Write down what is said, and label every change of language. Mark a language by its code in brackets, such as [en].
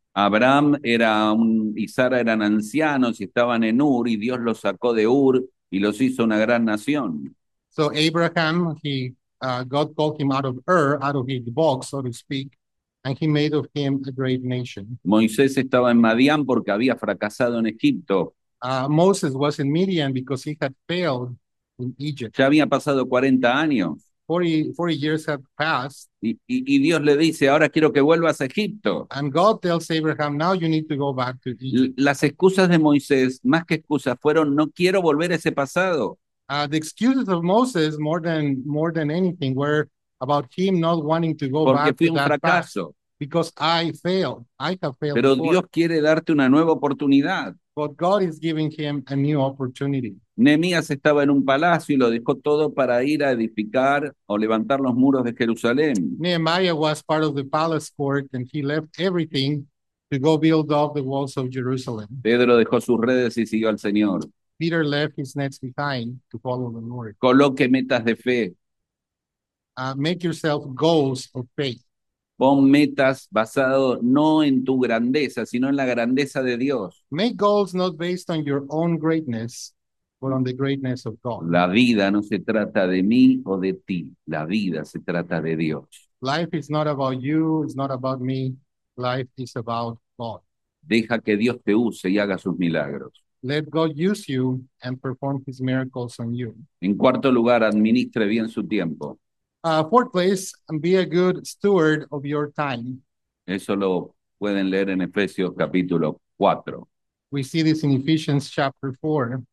[es] Abraham era y Sara eran ancianos y estaban en Ur, y Dios los sacó de Ur y los hizo una gran nación. [en] So Abraham, God called him out of Ur, out of his box, so to speak, and he made of him a great nation. [es] Moisés estaba en Madian porque había fracasado en Egipto. [en] Moses was in Midian because he had failed in Egypt. [es] Ya había pasado 40 años. [en] 40 years have passed. [es] Y Dios le dice, ahora quiero que vuelvas a Egipto. [en] And God tells Abraham, now you need to go back to Egypt. [es] Las excusas de Moisés, más que excusas, fueron, no quiero volver a ese pasado. [en] The excuses of Moses, more than anything, were about him not wanting to go [es] porque [en] back [es] fui [en] to [es] un [en] that [es] fracaso. [en] Past. Because I failed. I have failed [es] Pero [en] before. [es] Dios quiere darte una nueva oportunidad. [en] But God is giving him a new opportunity. [es] Nehemías estaba en un palacio y lo dejó todo para ir a edificar o levantar los muros de Jerusalén. [en] Nehemiah was part of the palace court and he left everything to go build up the walls of Jerusalem. [es] Pedro dejó sus redes y siguió al Señor. [en] Peter left his nets behind to follow the Lord. [es] Coloque metas de fe. [en] Make yourself goals of faith. [es] Pon metas basado no en tu grandeza, sino en la grandeza de Dios. [en] Make goals not based on your own greatness, but on the greatness of God. [es] La vida no se trata de mí o de ti. La vida se trata de Dios. [en] Life is not about you, it's not about me. Life is about God. [es] Deja que Dios te use y haga sus milagros. [en] Let God use you and perform his miracles on you. [es] En cuarto lugar, administre bien su tiempo. [en] Fourth place, be a good steward of your time. [es] Eso lo pueden leer en Efesios capítulo 4. [en] We see this in Ephesians chapter 4.